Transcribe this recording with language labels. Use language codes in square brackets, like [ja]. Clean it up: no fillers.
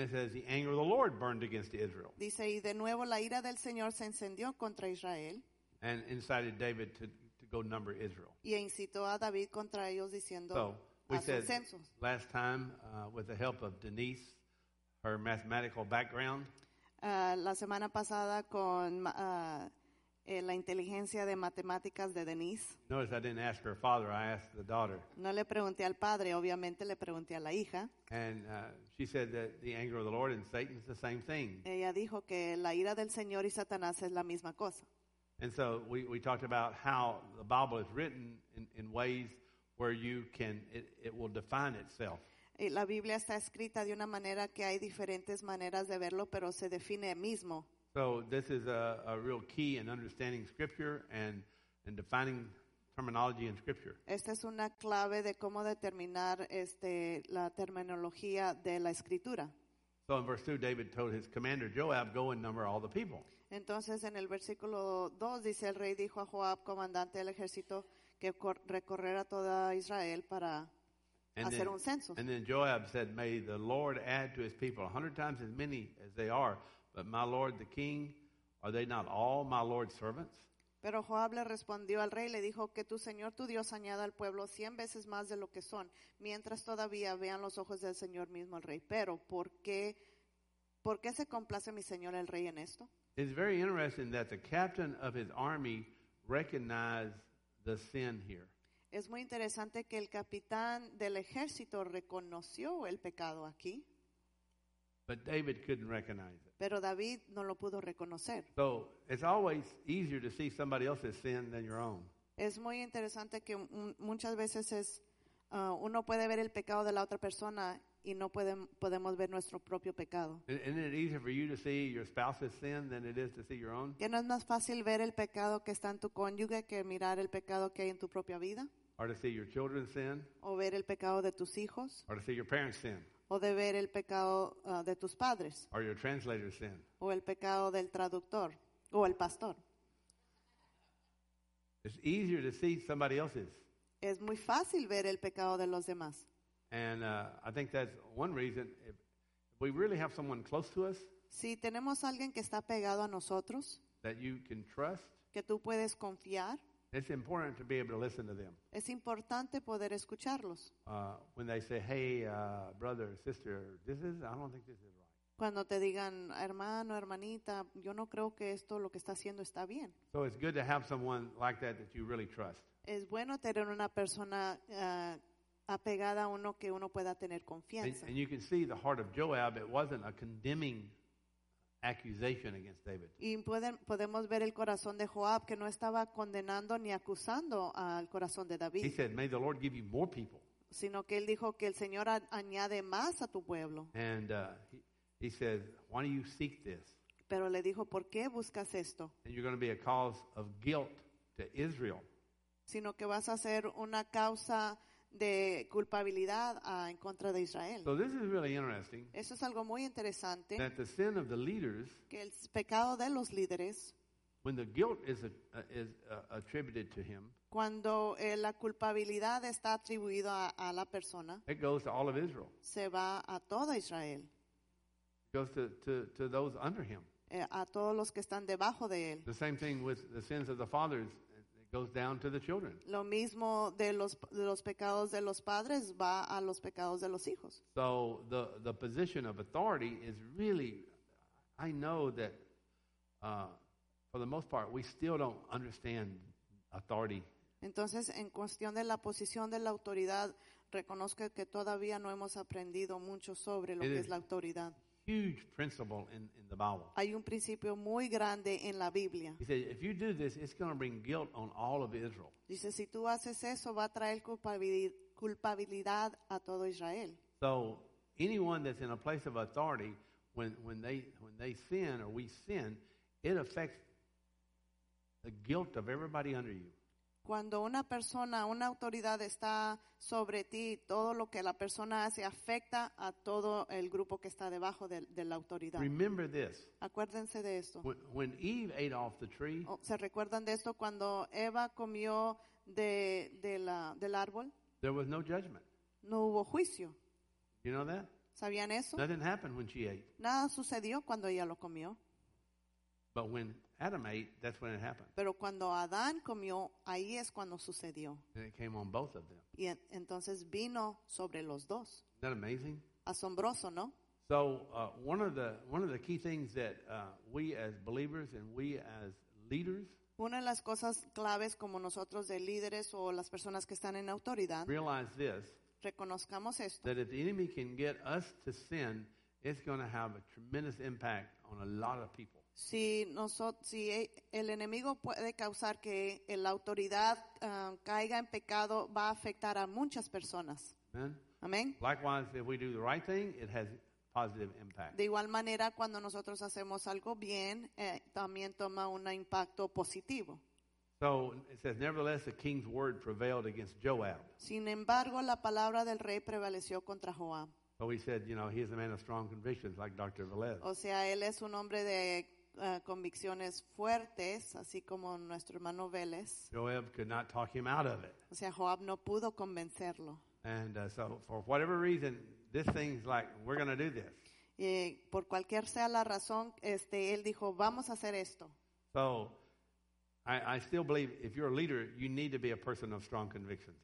[en] And it says, the anger of the Lord burned against Israel. [es] Dice, y de nuevo la ira del Señor se encendió contra Israel. [en] And incited David to go number Israel. [es] Y incitó a David contra ellos diciendo, [en] so, we a said [es] censos. [en] Last time, with the help of Denise, her mathematical background. [es] La semana pasada con la inteligencia de matemáticas de Denise. [en] Notice I didn't ask her father, I asked the daughter. [es] No le pregunté al padre, obviamente le pregunté a la hija. [en] And she said that the anger of the Lord and Satan is the same thing. [es] Ella dijo que la ira del Señor y Satanás es la misma cosa. [en] And so we talked about how the Bible is written in ways where you can it will define itself. [es] La Biblia está escrita de una manera que hay diferentes maneras de verlo, pero se define mismo. [en] So this is a real key in understanding Scripture and defining terminology in Scripture. [es] Esta es una clave de cómo determinar la terminología de la Escritura. [en] So in verse 2, David told his commander Joab, go and number all the people. [es] Entonces en el versículo 2 dice, el rey dijo a Joab, comandante del ejército, que recorrera toda Israel para hacer un censo. [en] And then Joab said, may the Lord add to his people 100 times as many as they are, but my lord the king, are they not all my lord's servants? [es] Pero Joab le respondió al rey, le dijo, que tu señor, tu Dios, añada al pueblo 100 veces más de lo que son, mientras todavía vean los ojos del Señor mismo el rey. Pero, ¿por qué se complace mi señor el rey en esto? [en] It's very interesting that the captain of his army recognized the sin here. [es] Es muy interesante que el capitán del ejército reconoció el pecado aquí. [en] But David couldn't recognize it. [es] Pero David no lo pudo reconocer. [en] So it's always easier to see somebody else's sin than your own. [es] Es muy interesante que muchas veces es uno puede ver el pecado de la otra persona y no podemos ver nuestro propio pecado. [en] Isn't it easier for you to see your spouse's sin than it is to see your own? [es] ¿Que no es más fácil ver el pecado que está en tu cónyuge que mirar el pecado que hay en tu propia vida? [en] Or to see your children's sin? [es] O ver el pecado de tus hijos? [en] Or to see your parents' sin? [es] O de ver el pecado de tus padres. [en] Or your translator's sin. [es] O el pecado del traductor. O el pastor. [en] It's easier to see somebody else's. [es] Es muy fácil ver el pecado de los demás. [en] And I think that's one reason. If we really have someone close to us. [es] Si tenemos alguien que está pegado a nosotros. [en] That you can trust. [es] Que tú puedes confiar. [en] It's important to be able to listen to them. [es] Es importante poder escucharlos. [en] When they say, hey, brother, sister, I don't think this is right. [es] Cuando te digan, hermano, hermanita, yo no creo que esto lo que está haciendo está bien. [en] So it's good to have someone like that that you really trust. [es] Es bueno tener una persona apegada a uno que uno pueda tener confianza. [en] And you can see the heart of Joab, it wasn't a condemning accusation against David. [es] Y podemos ver el corazón de Joab que no estaba condenando ni acusando al corazón de David. [en] He said, may the Lord give you more people. [es] Sino que él dijo que el Señor añade más a tu pueblo. [en] And he said, why do you seek this? [es] Pero le dijo, ¿por qué buscas esto? [en] And you're going to be a cause of guilt to Israel. [es] Sino que vas a ser una causa de culpabilidad en contra de Israel. [en] So this is really interesting. [es] Eso es algo muy interesante. [en] That the sin of the leaders, [es] que el pecado de los líderes, [en] when the guilt is attributed to him, [es] cuando la culpabilidad está atribuida a la persona, [en] it goes to all of Israel. [es] Se va a toda Israel. [en] It goes to those under him. [es] A todos los que están debajo de él. [en] The same thing with the sins of the fathers. Goes down to the children. [es] Lo mismo de los pecados de los padres va a los pecados de los hijos. [en] So the position of authority is really, I know that for the most part we still don't understand authority. [es] Entonces en cuestión de la posición de la autoridad reconozco que todavía no hemos aprendido mucho sobre lo que es la autoridad. [en] huge principle in the Bible. [es] Hay un principio muy grande en la Biblia. [en] He said, if you do this, it's going to bring guilt on all of Israel. [es] Dice, si tú haces eso, va a traer culpabilidad a todo Israel. [en] So anyone that's in a place of authority, when they sin or we sin, it affects the guilt of everybody under you. [es] Cuando una persona, una autoridad está sobre ti, todo lo que la persona hace afecta a todo el grupo que está debajo de la autoridad. [en] Remember this. [es] Acuérdense de esto. [en] When Eve ate off the tree. [es] ¿Se recuerdan de esto cuando Eva comió del árbol? [en] There was no judgment. [es] No hubo juicio. [en] You know that? [es] ¿Sabían eso? [en] Nothing happened when she ate. [es] Nada sucedió cuando ella lo comió. [en] But when Adam ate, that's when it happened. [es] Pero cuando Adán comió, ahí es cuando sucedió. [en] And it came on both of them. [es] Y entonces vino sobre los dos. [en] Isn't that amazing? [es] Asombroso, ¿no? [en] So one of the key things that we as believers and we as leaders, [es] una de las cosas claves como nosotros de líderes o las personas que están en autoridad, [en] realize this, [es] reconozcamos esto, [en] that if the enemy can get us to sin, it's going to have a tremendous impact on a lot of people. [es] Si el enemigo puede causar que la autoridad caiga en pecado, va a afectar a muchas personas. Amén. [en] Likewise, if we do the right thing, it has positive impact. [es] De igual manera, cuando nosotros hacemos algo bien, también toma un impacto positivo. [en] So it says, nevertheless, the king's word prevailed against Joab. [es] Sin embargo, la palabra del rey prevaleció contra Joab. [en] So he said, you know, he is a man of strong convictions, like Dr. Velez. [es] O sea, él es un hombre de convicciones fuertes, así como nuestro hermano Vélez. [en] Joab could not talk him out of it. [es] O sea, Joab no pudo convencerlo. [en] And so for whatever reason, this thing's like, we're going to do this. [es] Y por cualquier sea la razón, él dijo, vamos a hacer esto. [en] So I still believe if you're a leader, you need to be a person of strong convictions.